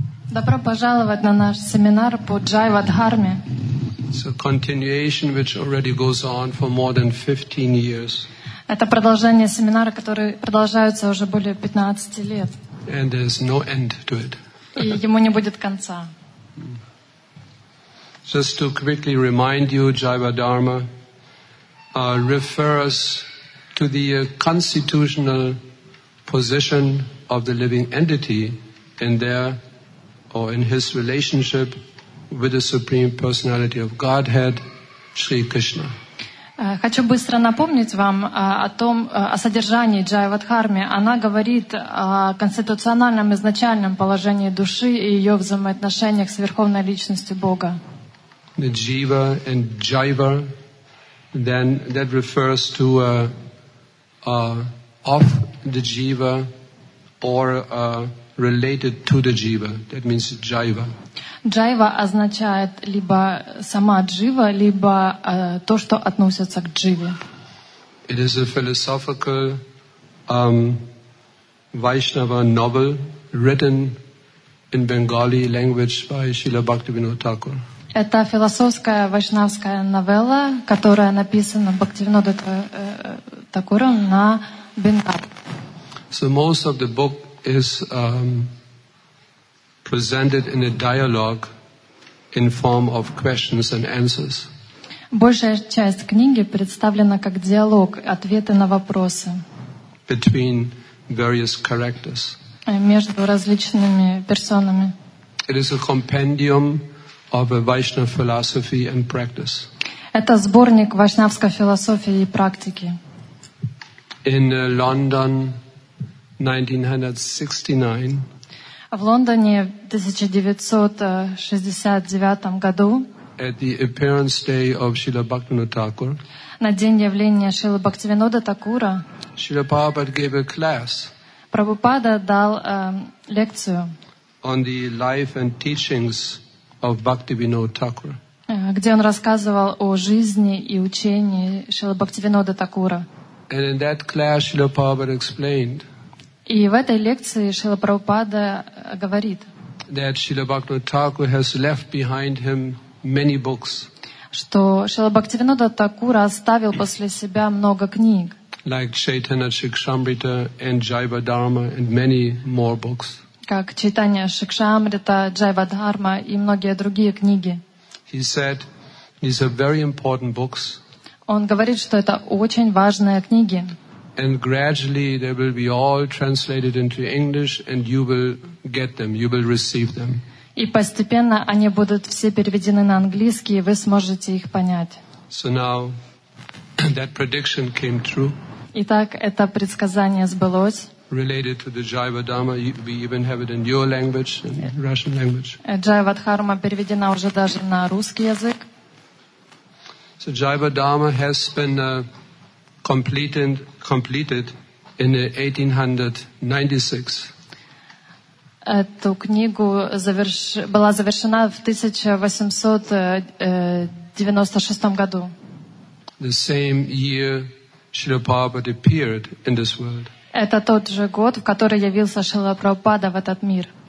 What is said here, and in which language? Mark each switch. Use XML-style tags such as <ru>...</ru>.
<ru>Добро пожаловать на наш семинар по Джайва Дхарме.</ru> <en>It's a continuation which already goes on for more than 15 years.</en> <ru>Это продолжение семинара, который продолжается уже более 15 лет.</ru> <en>And there's no end to it.</en> <ru>И ему не будет конца.</ru> <en>Just to quickly remind you, Jiva Dharma refers to the constitutional position of the living entity in their or in his relationship with the Supreme Personality of Godhead, Shri Krishna.</en> <ru>Хочу быстро напомнить вам о том, о содержании Джайва Дхарме. Она говорит о конституциональном изначальном положении души и ее взаимоотношениях с Верховной Личностью Бога.</ru> <en>The Jiva and Jiva, then that refers to of the Jiva or related to the Jiva. That means Jiva.</en> <ru>Jiva означает либо сама Джива, либо то, что относится к Дживе.</ru> <en>It is a philosophical Vaishnava novel written in Bengali language by Srila Bhaktivinoda Thakur.</en> <ru>Это философская вайшнавская новелла, которая написана Бхактивинода Такуром на бенгали.</ru> <en>So most of the book is presented in a dialogue in form of questions and answers.</en> <ru>Большая часть книги представлена как диалог, ответы на вопросы.</ru> <en>Between various characters.</en> <ru>Между различными персонами.</ru> <en>It is a compendium of a Vaishnava philosophy and practice.</en> <ru>Это сборник вайшнавской философии и практики.</ru> <en>In London, 1969.</en> <ru>В Лондоне в 1969 году.</ru> <en>At the appearance day of Srila Bhaktivinoda Thakur.</en> <ru>На день явления Шрилы Бхактивинода Такура.</ru> <en>Srila Prabhupada gave a class.</en> <ru>Прабхупада дал лекцию.</ru> <en>On the life and teachings of Bhaktivinoda Thakur.</en> <ru>Где он рассказывал о жизни и учении Шрилы Бхактивинода Такура.</ru> <en>And in that class, Srila Prabhupada explained.</en> <ru>И в этой лекции Шрила Прабхупада говорит.</ru> <en>That Srila Bhaktivinoda Thakur has left behind him many books.</en> <ru>Что Шрила Бхактивинода Такура оставил после себя много книг.</ru> <en>Like Chaitanya Shikshamrita and Jiva Dharma and many more books.</en> <ru>Как Чайтанья Шикшамрита, Джайва Дхарма и многие другие книги.</ru> <en>He said, these are very important books.</en> <ru>Он говорит, что это очень важные книги.</ru> <en>And gradually they will be all translated into English and you will get them, you will receive them.</en> <ru>И постепенно они будут все переведены на английский, и вы сможете их понять.</ru> <en>So now that prediction came true.</en> <ru>Итак, это предсказание сбылось.</ru> <en>Related to the Jiva Dharma, we even have it in your language, in Russian language.</en> <ru>Jiva Dharma переведена уже даже на русский язык.</ru> <en>So Jiva Dharma has been completed in 1896.</en> <ru>Эту книгу была завершена в 1896 году.</ru> <en>The same year Srila Prabhupada appeared in this world.</en> <ru>Это тот же год, в который явился Шрила Прабхупада в этот мир.</ru>